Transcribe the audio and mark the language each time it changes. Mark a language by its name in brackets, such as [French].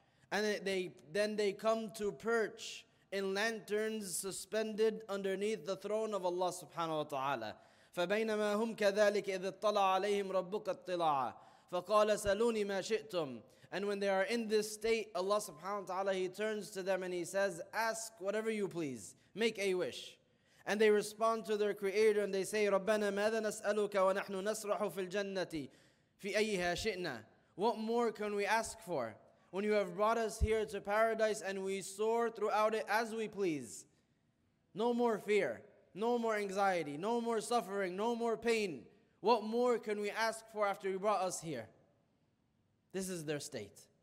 [English] And then they come to perch in lanterns suspended underneath the throne of Allah subhanahu wa ta'ala. [Arabic] فَبَيْنَمَا هُمْ كَذَلِكَ إِذِ اطَّلَعَ عَلَيْهِمْ رَبُّكَ اطِّلَاعًا فَقَالَ سَلُونِي مَا شِئْتُمْ. [English] And when they are in this state, Allah subhanahu wa ta'ala, he turns to them and he says, ask whatever you please. Make a wish. And they respond to their creator and they say, [Arabic] رَبَّنَا مَاذَا نَسْأَلُكَ وَنَحْنُ نَسْرَحُ فِي الْجَنَّةِ فِي أَيِّهَا شِئْنَا. [English] What more can we ask for when you have brought us here to paradise and we soar throughout it as we please? No more fear, no more anxiety, no more suffering, no more pain. What more can we ask for after you brought us here? This is their state.